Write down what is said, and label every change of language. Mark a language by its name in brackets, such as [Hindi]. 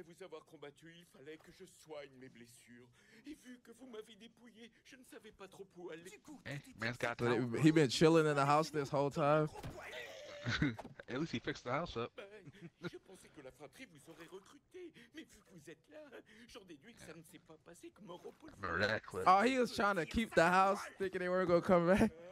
[French] Après vous avoir combattu, il fallait que je soigne mes blessures. Et vu que vous m'avez dépouillé, je ne savais pas trop où aller. [English] He been chilling in the house this whole time. At least he fixed the house up. [French] Je pensais que la fratrie vous aurait recruté, mais vu que vous êtes là, j'en déduis que ça ne s'est pas passé comme un repos. [English] Oh, he was trying to keep the house, thinking they weren't gonna come back.